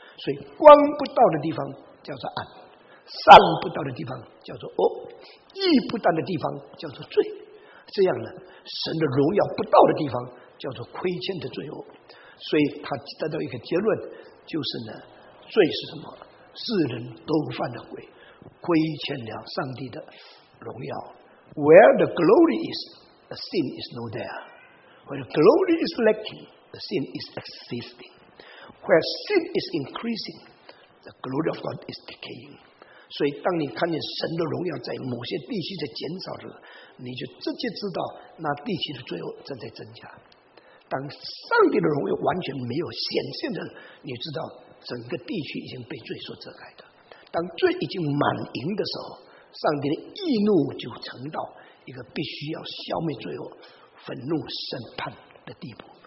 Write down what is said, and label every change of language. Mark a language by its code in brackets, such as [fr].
[zh] 所以光不到的地方叫做暗，善不到的地方叫做恶，义不到的地方叫做罪。这样呢，神的荣耀不到的地方叫做亏欠的罪恶。所以他得到一个结论，就是呢，罪是什么？世人都犯了罪，亏欠了上帝的荣耀。 [en] Where the glory is, the sin is no there. Where the glory is lacking, the sin is existing. Where sin is increasing, the glory of God is decaying. [zh] 所以当你看见神的荣耀在某些地区在减少的时候，你就直接知道那地区的罪恶正在增加。当上帝的荣耀完全没有显现的，你知道整个地区已经被罪所遮盖的。当罪已经满盈的时候，上帝的义怒就成到一个必须要消灭罪恶、愤怒审判的地步。